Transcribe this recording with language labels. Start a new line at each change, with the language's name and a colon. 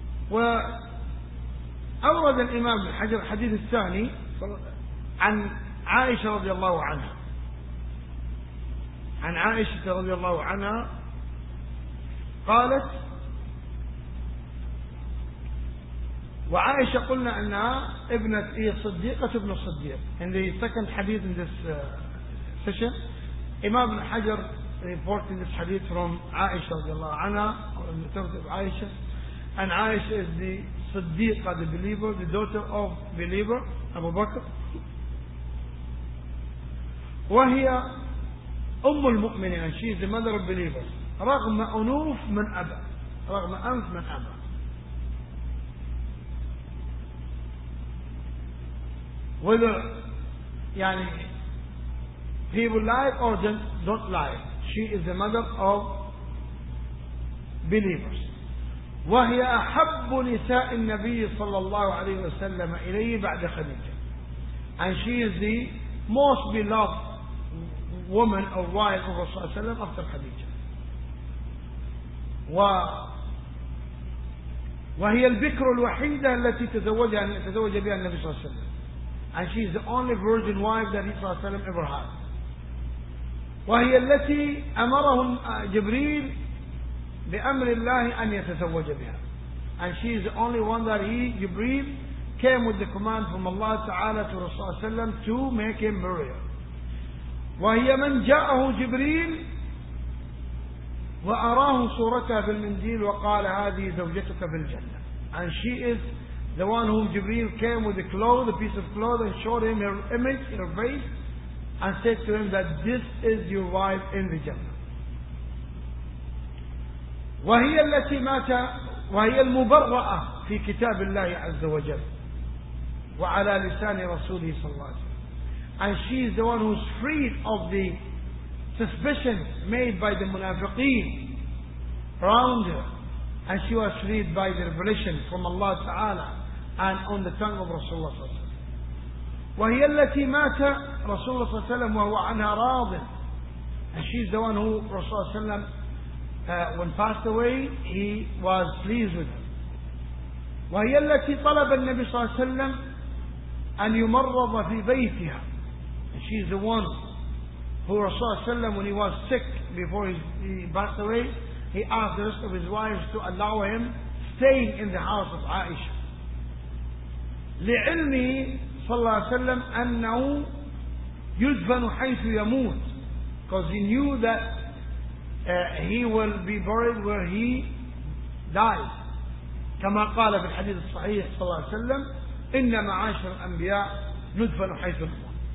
Arabic: وأورد الإمام بن حجر الحديث الثاني عن عائشة رضي الله عنها. عن عائشة رضي الله عنها قالت, وعائشة قلنا أنها ابنة هي صديقة ابن الصديق.
English: In the second hadith in this session, إمام بن حجر reporting this hadith from عائشة رضي الله عنها, or in the terms of عائشة. And عائشة is the صديقة, the believer, the daughter of believer أبو بكر,
Arabic: وهي أم المؤمنين.
English: She is the mother of believers.
Arabic: رغم أنوف من أبا, رغم أنف من أبا.
English: Whether يعني people lie or don't lie, she is the mother of believers.
Arabic: وهي أحب نساء النبي صلى الله عليه وسلم إليه بعد خديجة.
English: And she is the most beloved woman or wife of Rasulullah صلى الله عليه وسلم after خديجة.
Arabic: وهي البكر الوحيدة التي تزوج بها النبي صلى الله عليه وسلم.
English: and she is the only virgin wife that he saw Salim ever had.
Arabic: وهي التي أمره جبريل بأمر الله أن يتزوج بها.
English: And she is the only one that he, Jibreel, came with the command from Allah Ta'ala to Rasulullah Sallam to make him marry her.
Arabic: وهي من جاءه جبريل وأراه صورتها في المنزل وقال هذه زوجتك في الجنة.
English: And she is the one whom Jibreel came with the cloth, a piece of cloth, and showed him her image, her face, and said to him that this is your wife in the Jannah.
Arabic: وهي التي مات وهي المبرأة في كتاب الله عز وجل وعلى لسان رسوله صلى الله عليه وسلم.
English: And she is the one who is freed of the suspicions made by the munafiqeen around her. And she was freed by the revelation from Allah Ta'ala and on the tongue of Rasulullah صلى الله عليه وسلم.
Arabic: وهي التي مات رسول الله صلى الله عليه وسلم وهو عنها راض.
English: And she is the one who رسول الله صلى الله عليه وسلم when passed away he was pleased with her.
Arabic: وهي التي طلب النبي صلى الله عليه وسلم أن يمرض في بيتها.
English: And she is the one who رسول الله صلى الله عليه وسلم when he was sick before he passed away he asked the rest of his wives to allow him staying in the house of عائشة.
Arabic: لعلمي صلى الله عليه وسلم أنه يدفن حيث يموت
English: because he knew that he will be buried where he dies
Arabic: كما قال في الحديث الصحيح صلى الله عليه وسلم إن معاشر الأنبياء ندفن حيث يموت.